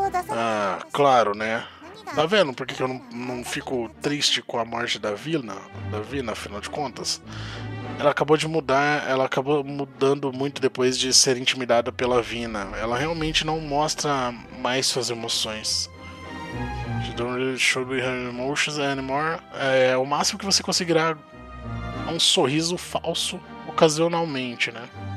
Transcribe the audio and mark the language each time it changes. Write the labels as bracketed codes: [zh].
[pt] Ah, claro, né? Tá vendo por que eu não fico triste com a morte da Vina? Da Vina, afinal de contas. Ela acabou de mudar, ela acabou mudando muito depois de ser intimidada pela Vina. Ela realmente não mostra mais suas emoções. [en] She don't really show her emotions anymore. [pt] É, o máximo que você conseguirá é um sorriso falso ocasionalmente, né?